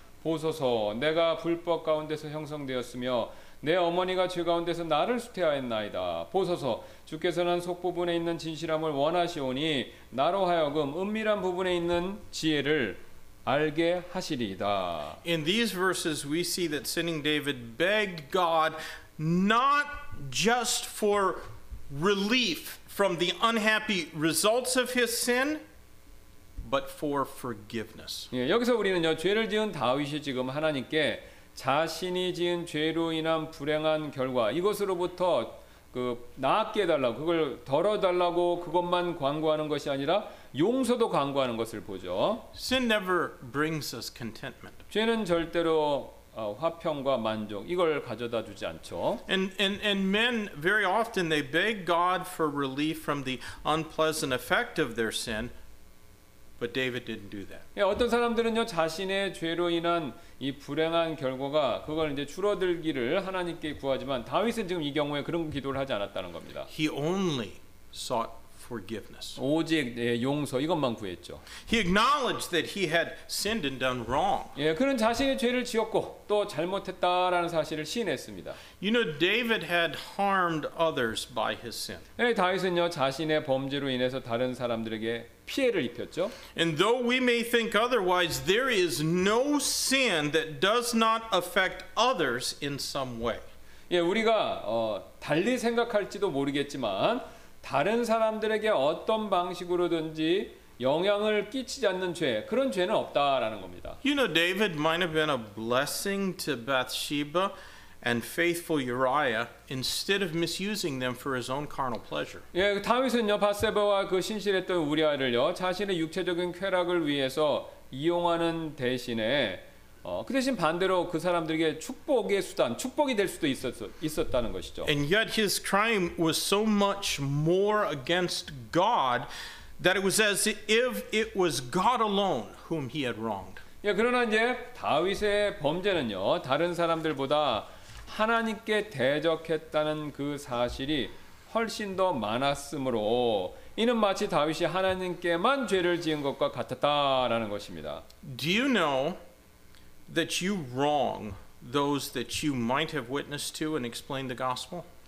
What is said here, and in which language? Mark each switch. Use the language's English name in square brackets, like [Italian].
[Korean] 보소서 내가 불법 가운데서 형성되었으며 내 어머니가 죄 가운데서 나를 수태하였나이다. 보소서 주께서는 속부분에 있는 진실함을 원하시오니 나로 하여금 은밀한 부분에 있는 지혜를 알게 하시리이다. [English] In these verses, we see that sinning David begged God not just for relief from the unhappy results of his sin, but for forgiveness. [Korean] 예, 여기서 우리는요 죄를 지은 다윗이 지금 하나님께 자신이 지은 죄로 인한 불행한 결과 이것으로부터 그 나아게 해달라고 그걸 덜어달라고 그것만 간구하는 것이 아니라 용서도 간구하는 것을 보죠. [English] Sin never brings us contentment. [Korean] 죄는 절대로 화평과 만족 이걸 가져다 주지 않죠. [English] And men very often they beg God for relief from the unpleasant effect of their sin, But David didn't do that. [Korean] 예, 어떤 사람들은요 자신의 죄로 인한 이 불행한 결과가 그걸 이제 줄어들기를 하나님께 구하지만 다윗은 지금 이 경우에 그런 기도를 하지 않았다는 겁니다. [English] He only sought forgiveness. [Korean] 오직 예, 용서 이것만 구했죠. [English] He acknowledged that he had sinned and done wrong. [Korean] 예, 그는 자신의 죄를 지었고 또 잘못했다라는 사실을 시인했습니다. [English] You know, David had harmed others by his sin. [Korean] 예, 다윗은요 자신의 범죄로 인해서 다른 사람들에게 피해를 입혔죠. [English] And though we may think otherwise, there is no sin that does not affect others in some way. [Korean] 예, 우리가 달리 생각할지도 모르겠지만 다른 사람들에게 어떤 방식으로든지 영향을 끼치지 않는 죄, 그런 죄는 없다라는 겁니다. [English] You know, David might have been a blessing to Bathsheba and faithful Uriah instead of misusing them for his own carnal pleasure. [Korean] 예, 다윗은요, 바세바와 그 신실했던 우리아를요, 자신의 육체적인 쾌락을 위해서 이용하는 대신에 그 대신 반대로 그 사람들에게 축복의 수단, 축복이 될 수도 있었다는 것이죠. [English] And yet his crime was so much more against God that it was as if it was God alone whom he had wronged. [Korean] 예, 그러나 이제 다윗의 범죄는요, 다른 사람들보다 하나님께 대적했다는 그 사실이 훨씬 더 많았으므로 이는 마치 다윗이 하나님께만 죄를 지은 것과 같았다라는 것입니다. [English] Do you know that you wrong those that you might have witnessed to and explained the gospel?